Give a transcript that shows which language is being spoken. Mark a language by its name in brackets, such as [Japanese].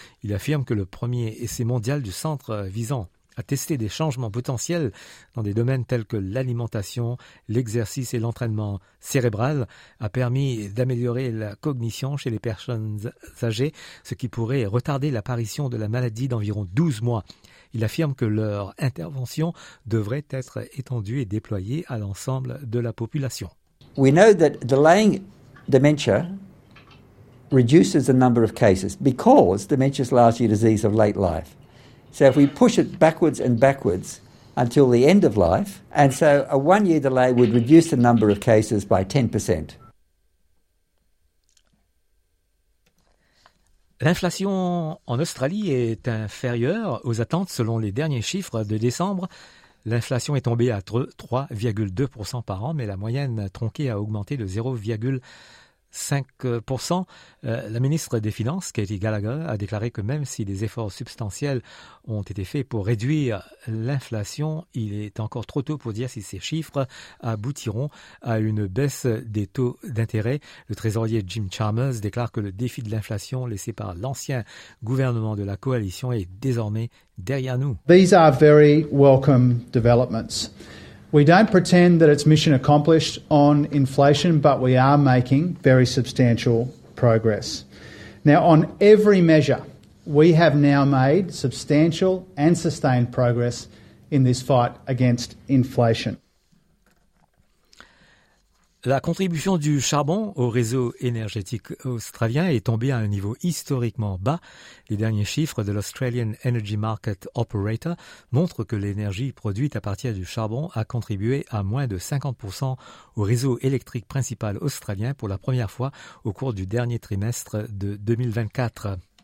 [French] Il affirme que le premier essai mondial du centre visant à tester des changements potentiels dans des domaines tels que l'alimentation, l'exercice et l'entraînement cérébral a permis d'améliorer la cognition chez les personnes âgées, ce qui pourrait retarder l'apparition de la maladie d'environ 12 mois. Il affirme que leur intervention devrait être étendue et déployée à l'ensemble de la population. [English] We know that delaying dementia reduces the number of cases because dementia is largely a disease of late life. So if we push it backwards and backwards until the end of life, and so a one-year delay would reduce the number of cases by 10%. [French] L'inflation en Australie est inférieure aux attentes selon les derniers chiffres de décembre. L'inflation est tombée à 3,2% par an, mais la moyenne tronquée a augmenté de 0,5%. La ministre des Finances, Katie Gallagher, a déclaré que même si des efforts substantiels ont été faits pour réduire l'inflation, il est encore trop tôt pour dire si ces chiffres aboutiront à une baisse des taux d'intérêt. Le trésorier Jim Chalmers déclare que le défi de l'inflation laissé par l'ancien gouvernement de la coalition est désormais derrière nous. [English] These are very welcome developments. We don't pretend that it's mission accomplished on inflation, but we are making very substantial progress. Now, on every measure, we have now made substantial and sustained progress in this fight against inflation. [French] La contribution du charbon au réseau énergétique australien est tombée à un niveau historiquement bas. Les derniers chiffres de l'Australian Energy Market Operator montrent que l'énergie produite à partir du charbon a contribué à moins de 50% au réseau électrique principal australien pour la première fois au cours du dernier trimestre de 2024.